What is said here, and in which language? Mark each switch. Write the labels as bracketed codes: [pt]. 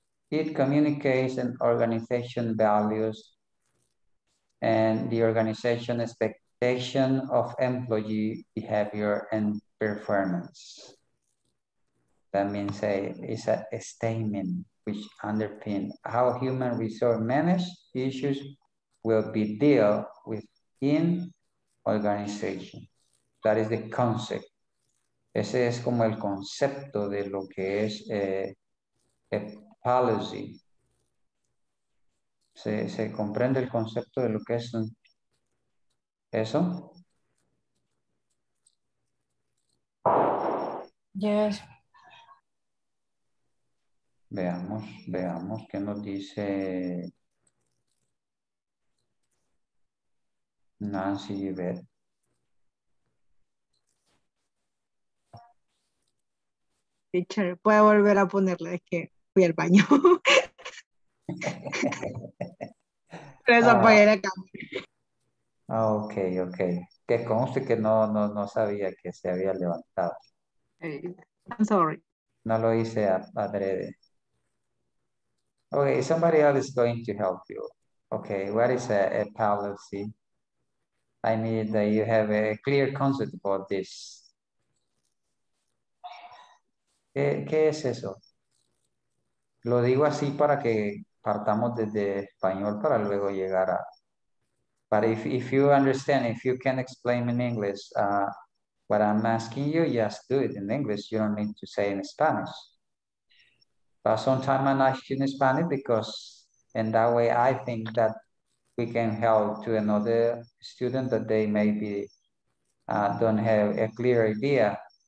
[en] It communicates an organization values and the organization expectation of employee behavior and performance. That means it's a statement which underpins how human resource managed issues will be dealt with in organization. That is the concept. [es] Ese es como el concepto de lo que es a policy. ¿Se comprende el concepto de lo que es eso? [en] Yes. [es] Veamos qué nos dice Nancy y Beth. Teacher, puede volver a ponerle, es que fui al baño. Pero eso apagué la cámara. [en] Ok. [es] Que conste que no sabía que se había levantado. [en] I'm sorry. [es] No lo hice adrede. [en] Okay, somebody else is going to help you. Okay, what is a policy? I need that you have a clear concept about this. [es] ¿Qué es eso? Lo digo así para que partamos desde español para luego llegar a... [en] But if you understand, if you can explain in English what I'm asking you, just do it in English. You don't need to say in Spanish. But sometimes I'm asking in Spanish because in that way I think that we can help to another student that they maybe don't have a clear idea.